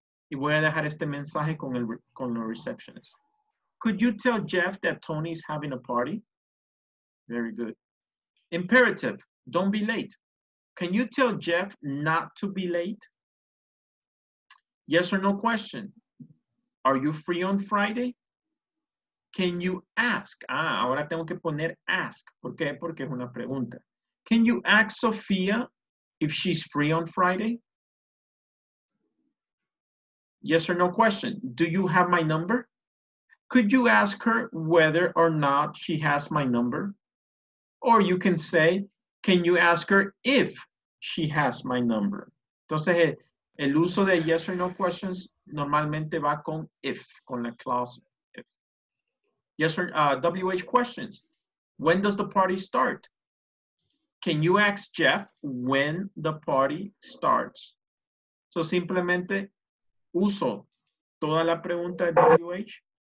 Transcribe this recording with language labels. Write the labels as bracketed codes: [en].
[es] Y voy a dejar este mensaje con el receptionist. [en] Could you tell Jeff that Tony is having a party? Very good. Imperative, don't be late. Can you tell Jeff not to be late? Yes or no question. Are you free on Friday? Can you ask? [es] Ahora tengo que poner ask. ¿Por qué? Porque es una pregunta. [en] Can you ask Sophia if she's free on Friday? Yes or no question. Do you have my number? Could you ask her whether or not she has my number? Or you can say, can you ask her if she has my number? [es] Entonces, el uso de [en] yes or no questions [es] normalmente va con if, con la clause if. [en] Yes or WH questions. When does the party start? Can you ask Jeff when the party starts? [es] So simplemente uso toda la pregunta de WH